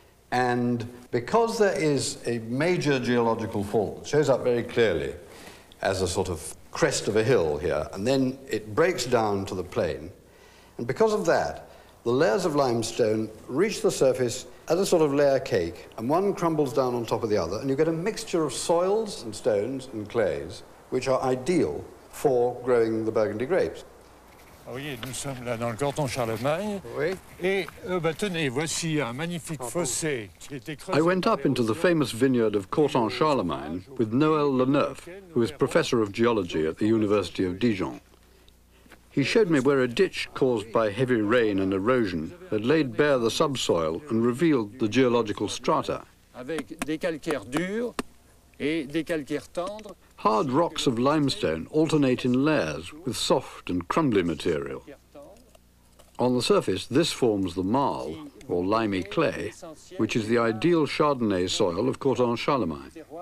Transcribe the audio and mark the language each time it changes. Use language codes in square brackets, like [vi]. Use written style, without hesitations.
[en] And because there is a major geological fault, it shows up very clearly as a sort of crest of a hill here, and then it breaks down to the plain. And because of that, the layers of limestone reach the surface as a sort of layer cake, and one crumbles down on top of the other, and you get a mixture of soils and stones and clays, which are ideal for growing the Burgundy grapes. [fr] Oui, nous sommes là dans le canton Charlemagne. Oui. Et bah, tenez, voici un magnifique fossé qui était creusé. [en] I went up into the famous vineyard of Corton Charlemagne with Noël Leneuf, who is professor of geology at the University of Dijon. He showed me where a ditch caused by heavy rain and erosion had laid bare the subsoil and revealed the geological strata. [fr] Avec des calcaires durs et des calcaires tendres. [en] Hard rocks of limestone alternate in layers with soft and crumbly material. On the surface, this forms the marle, or limey clay, which is the ideal Chardonnay soil of Canton Charlemagne.